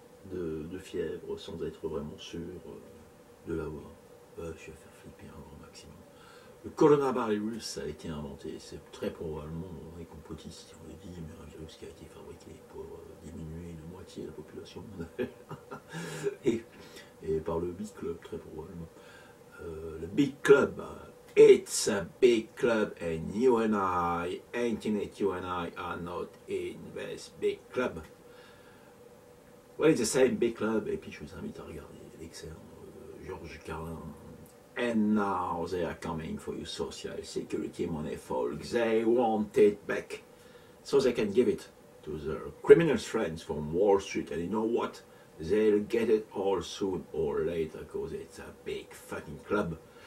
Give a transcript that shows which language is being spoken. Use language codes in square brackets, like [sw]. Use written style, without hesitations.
[fr] De fièvre sans être vraiment sûr de l'avoir. Je vais faire flipper un grand maximum. Le coronavirus a été inventé, c'est très probablement, les complotistes qui ont dit, mais un virus qui a été fabriqué pour diminuer de moitié la population mondiale. et par le Big Club, très probablement. [en] Le Big Club, it's a big club and you and I, internet, you and I are not in this big club. [fr] Ouais, c'est ça, MB Club, et puis je vous invite à regarder l'excellent Georges Carlin. [en] And now they are coming for your social security money, folks. They want it back. So they can give it to their criminal friends from Wall Street. And you know what? They'll get it all soon or later, because it's a big fucking club.